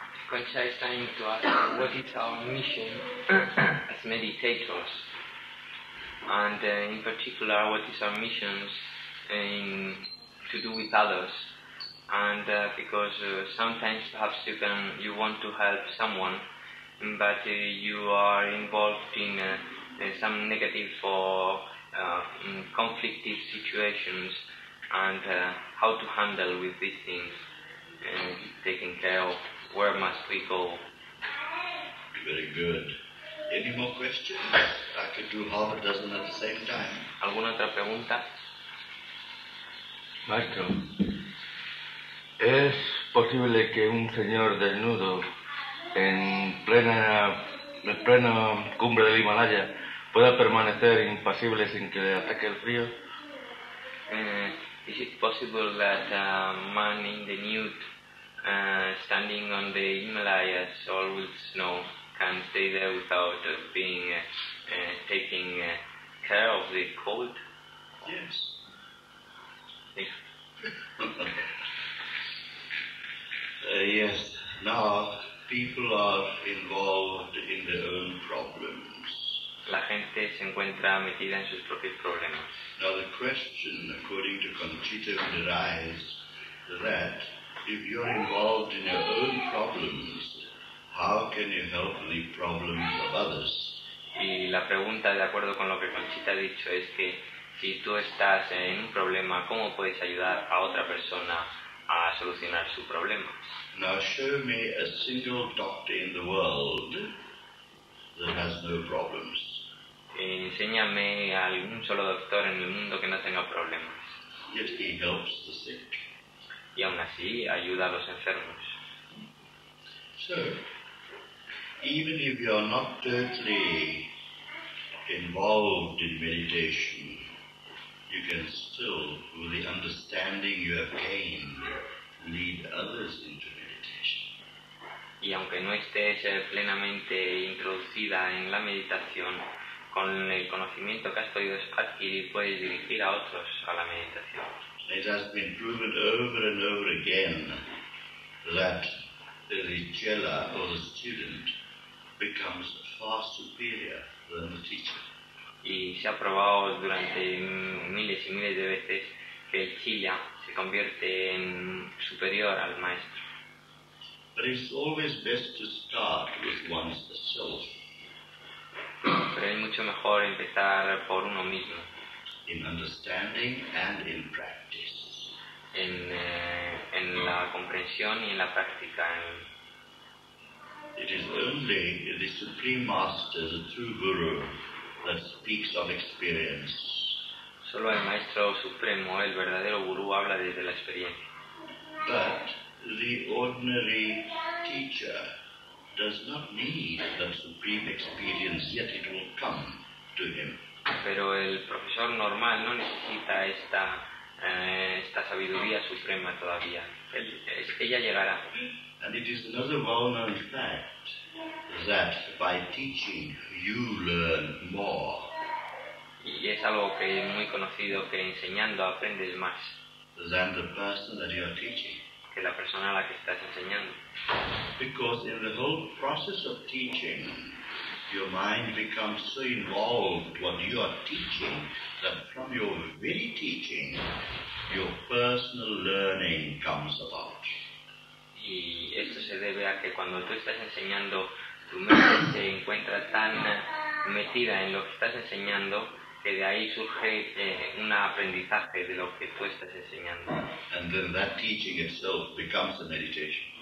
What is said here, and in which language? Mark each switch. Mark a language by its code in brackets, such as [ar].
[en] Concha is trying to ask what is our mission as meditators, and in particular what is our mission to do with others, and because sometimes perhaps you want to help someone, but you are involved in some negative or conflictive situations, and how to handle with these things, taking care of. Where must we go? Very good. Any more questions? I could do half a dozen at the same time. [es] ¿Alguna otra pregunta? Maestro, ¿es posible que un señor desnudo en plena cumbre del Himalaya pueda permanecer impasible sin que le ataque el frío? [en] Is it possible that a man in the nude standing on the Himalayas all with snow can stay there without being taking care of the cold? Yes. Yes. Now people are involved in their own problems. [es] La gente se encuentra metida en sus propios problemas. [en] Now the question, according to Cansita, arises that if you're involved in your own problems, how can you help the problems of others? [es] Y la pregunta, de acuerdo con lo que Cansita ha dicho, es que si tú estás en un problema, ¿cómo puedes ayudar a otra persona a solucionar su problema? [en] Now show me a single doctor in the world that has no problems. [es] Enséñame a algún solo doctor en el mundo que no tenga problemas. [en] Yet he helps the sick. [es] Y aún así ayuda a los enfermos. [en] So, even if you are not totally involved in meditation, you can still, with the understanding you have gained, lead others into meditation. [es] Y aunque no estés plenamente introducida en la meditación, con el conocimiento que has podido adquirir, puedes dirigir a otros a la meditación. [en] It has been proven over and over again that the chela or the student becomes far superior than the teacher. [es] Y se ha probado durante miles y miles de veces que el chela se convierte en superior al maestro. [en] But it's always best to start with oneself. [es] Pero es mucho mejor empezar por uno mismo. [en] In understanding and in practice. [es] En la comprensión y en la práctica. [en] It is only the Supreme Master, the true Guru, that speaks of experience. [es] Solo el Maestro Supremo, el verdadero Guru, habla desde la experiencia. [en] But the ordinary teacher does not need that supreme experience, yet it will come to him. [es] Pero el profesor normal no necesita esta sabiduría suprema todavía. Ella llegará. [en] And it is another well-known fact that by teaching you learn more. [es] Y es algo que es muy conocido que enseñando aprendes más. [en] Than the person that you are teaching. [es] Que la persona a la que estás enseñando. [en] Because in the whole process of teaching, your mind becomes so involved what you are teaching that from your very teaching your personal learning comes about. [es] Y esto se debe a que cuando tú estás enseñando tu mente se encuentra tan metida en lo que estás enseñando que de ahí surge un aprendizaje de lo que tú estás enseñando. [en] And then that teaching itself becomes a meditation.